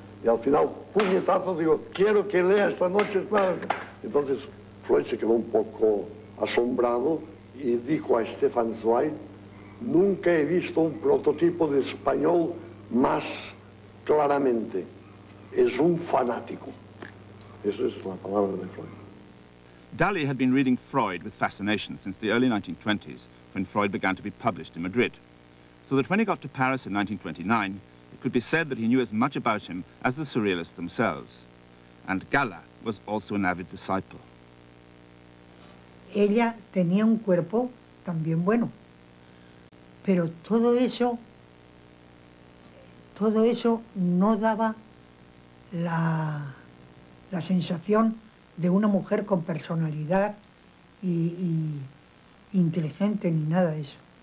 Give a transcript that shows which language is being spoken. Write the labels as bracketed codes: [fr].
[es] Y al final, puñetazo, digo, quiero que lea esta noche. Entonces, Freud se quedó un poco asombrado y dijo a Stefan Zweig, nunca he visto un prototipo de español más claramente. Es un fanático. Esa es la palabra de Freud. [en] Dali had been reading Freud with fascination since the early 1920s, when Freud began to be published in Madrid. So that when he got to Paris in 1929, it could be said that he knew as much about him as the surrealists themselves. And Gala was also an avid disciple. [es] Ella tenía un cuerpo también bueno, pero todo eso no daba la sensación de una mujer con personalidad y inteligente ni nada de eso.